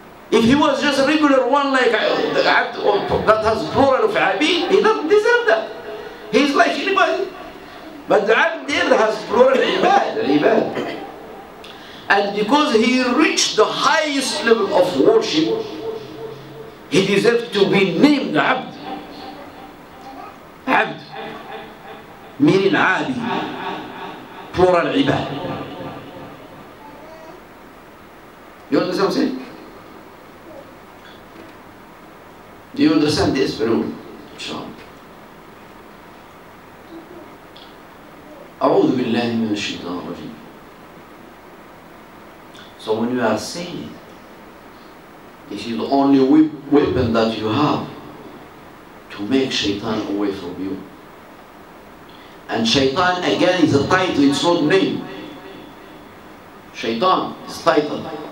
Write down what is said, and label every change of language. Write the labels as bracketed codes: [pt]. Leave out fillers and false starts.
[en] If He was just a regular one like Abd that has plural of Abid, He doesn't deserve that. He is like anybody. But the Abd there has plural Ibad. And because He reached the highest level of worship, He deserved to be named Abd. [ar] من العابد plural عباد. [en] You understand what I'm saying? Do you understand this room? [ar] Inshallah. أعوذ بالله من الشيطان الرجيم. [en] So when you are saying it, this is the only weapon that you have to make shaitan away from you. And shaitan again is a title, it's not name. Shaitan is title.